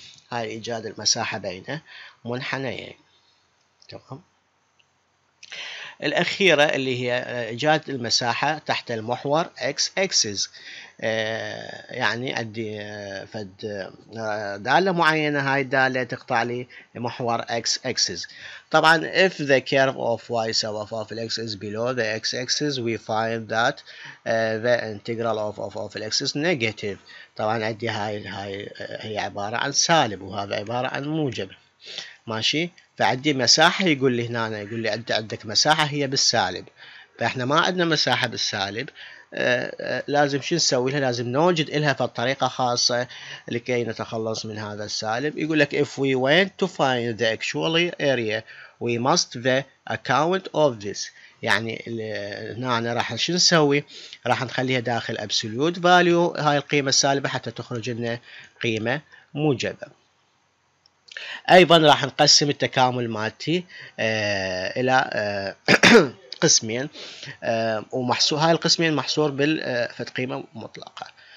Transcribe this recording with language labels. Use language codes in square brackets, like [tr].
[ar] هاي ايجاد المساحة بين منحنيين. تمام، الأخيرة اللي هي إيجاد المساحة تحت المحور X axis. يعني عندي فد دالة معينة، هاي الدالة تقطع لي محور X axis. طبعا [en] if the curve of Y sub f of X is below the X axis we find that the integral of f of X is negative. [ar] طبعا عندي هاي هي عبارة عن سالب، وهذا عبارة عن موجب، ماشي. فعندي مساحة، يقول لي هنا، يقول لي عندك مساحة هي بالسالب، فاحنا ما عندنا مساحة بالسالب، لازم شو نسوي لها؟ لازم نوجد لها طريقة خاصة لكي نتخلص من هذا السالب. يقول لك [en] if we want to find the actual area we must the account of this. [ar] يعني هنا راح شو نسوي؟ راح نخليها داخل absolute value هاي القيمة السالبة حتى تخرج لنا قيمة موجبة. ايضا راح نقسم التكامل مالتي الى قسمين، ومحصور هاي القسمين محصور بالفت قيمه مطلقه.